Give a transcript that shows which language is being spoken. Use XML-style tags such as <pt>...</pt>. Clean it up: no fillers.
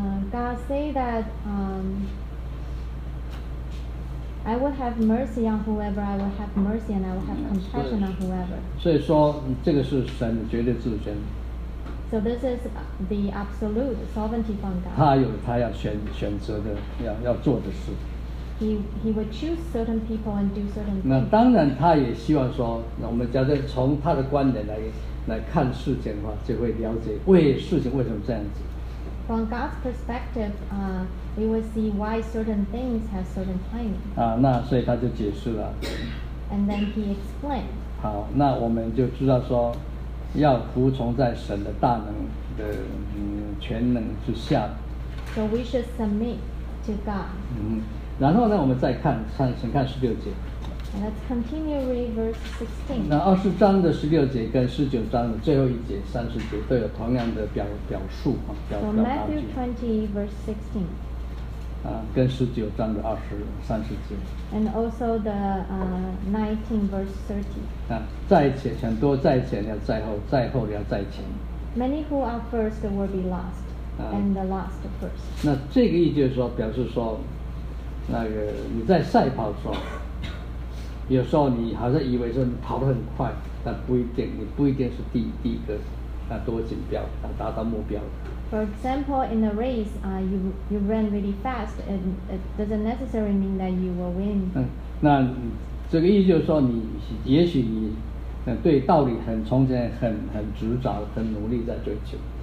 <en>God say that I will have mercy on whoever I will have mercy, and I will have compassion on whoever.</en> <zh>所以说这个是神的绝对自主权。</zh> <en>So this is the absolute sovereignty from God.</en> <zh>他有他要选择的要做的事。</zh> <en>he would choose certain people and do certain things.</en> <zh>那当然他也希望说，我们假设从他的观点来看事情的话，就会了解事情为什么这样子。</zh> <en>From God's perspective, we will see why certain things have certain timing.</en> <zh>啊，那所以他就解释了。</zh> <en>And then he explained.</en> <zh>好，那我们就知道说，要服从在神的大能的全能之下。</zh> <en>So we should submit to God.</en> <zh>然后呢，我们再看先看十六节。</zh> <en>Let's continue read verse 16.</en> <zh>那二十章的十六节跟十九章的最后一节三十节都有同样的表述啊。</zh> <en>So Matthew 20 verse 16.</en> <zh>跟十九章的三十节。</zh> <en>And also the 19 verse 30.</en> <zh>在前很多，在前要在后，在后要在前。</zh> <en>Many who are first will be last, and the last first.</en> <zh>那这个意思就是说，表示说，那个你在赛跑的时候。有时候你好像以为说你跑得很快，但不一定，你不一定是第一个，多锦标，达到目标。</zh> <en>For example, in a race, you ran really fast, and it doesn't necessarily mean that you will win.</en> <zh>那这个意思就是说你，也许你对道理很从前很执着，很努力在追求。</zh>